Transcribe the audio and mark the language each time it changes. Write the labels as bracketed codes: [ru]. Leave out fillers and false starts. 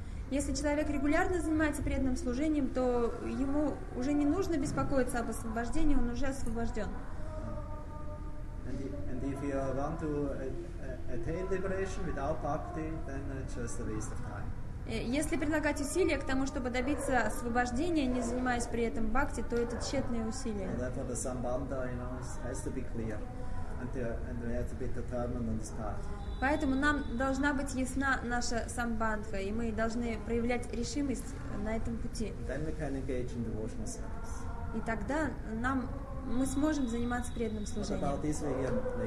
[ru] Если человек регулярно занимается преданным служением, то ему уже не нужно беспокоиться об освобождении, он уже освобожден. [en] And if you want to attain liberation without bhakti, then it's just a waste of time. [ru] Если прилагать усилия к тому, чтобы добиться освобождения, не занимаясь при этом бхакти, то это тщетные усилия. [en] And therefore the sambandha, you know, has to be clear, and we have to be determined on this path. [ru] Поэтому нам должна быть ясна наша самбандха, и мы должны проявлять решимость на этом пути. [en] Then we can engage in devotional service. [ru] И тогда нам мы сможем заниматься преданным служением.